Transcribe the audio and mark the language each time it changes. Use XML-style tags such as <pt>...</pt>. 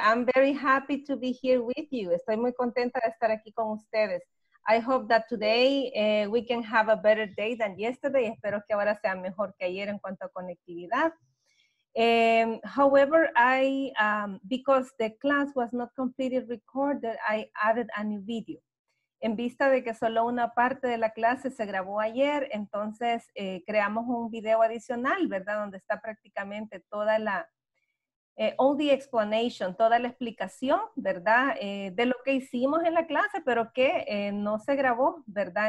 <en>I'm very happy to be here with you.</en> <es>Estoy muy contenta de estar aquí con ustedes.</es> <en>I hope that today we can have a better day than yesterday.</en> <es>Espero que ahora sea mejor que ayer en cuanto a conectividad.</es> <en>However, because the class was not completely recorded, I added a new video.</en> <es>En vista de que solo una parte de la clase se grabó ayer, entonces creamos un video adicional, ¿verdad? Donde está prácticamente toda la,</es> <en>all the explanation,</en> <es>toda la explicación, ¿verdad? De lo que hicimos en la clase, pero que no se grabó, ¿verdad?</es>